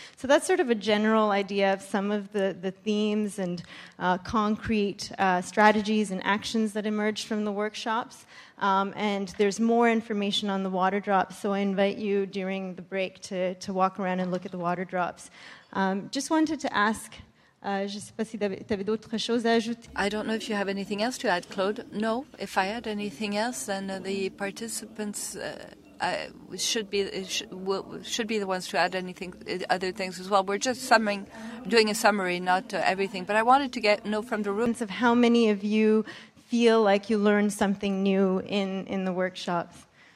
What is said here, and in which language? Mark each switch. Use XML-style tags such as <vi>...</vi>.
<en>So that's sort of a general idea of some of the themes and concrete strategies and actions that emerged from the workshops. And there's more information on the water drops, so I invite you during the break to walk around and look at the water drops. Just wanted to ask,</en> <fr>je sais pas si t'avais d'autres choses à ajouter.</fr> <en>I don't know if you have anything else to add, Claude. No, if I add anything else, then the participants should be the ones to add anything, other things as well. We're just doing a summary, not everything. But I wanted to know from the room of how many of you feel like you learned something new in the workshops.</en>